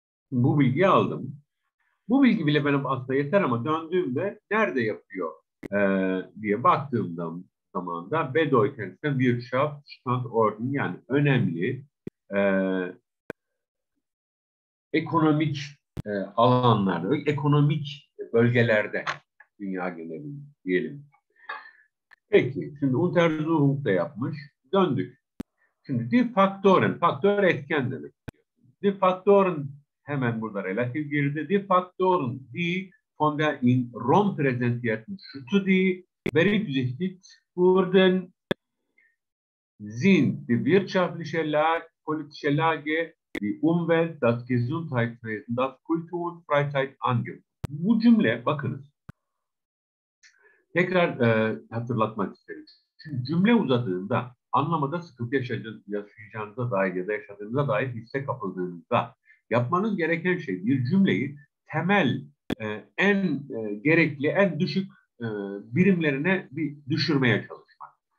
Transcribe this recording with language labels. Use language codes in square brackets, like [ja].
[tr] Bu bilgiyi aldım. Bu bilgi bile benim aslında yeter ama döndüğümde nerede yapıyor diye baktığımda zaman da [de] bedeutendsten Wirtschaftsstandort, [tr] yani önemli ekonomik alanlarda, ekonomik bölgelerde dünya genelinde diyelim. Peki, şimdi Untersuchung da yapmış. Döndük. Şimdi die Faktoren, faktör etken demek. Die Faktoren, hemen burada relatif girdi. [de] Die Faktoren, die von der in Rom präsentierten Studie berücksichtigt wurden, sind die wirtschaftliche Lage, politische Lage, die Umwelt, das Gesundheitswesen, das Kultur, Freizeit angeht. [tr] Bu cümle, bakınız. Tekrar hatırlatmak isterim. Şimdi cümle uzadığında anlamada sıkıntı yaşayacağınıza dair ya da yaşadığınıza dair hisse kapıldığınızda yapmanız gereken şey bir cümleyi temel en gerekli, en düşük birimlerine bir düşürmeye çalışmak.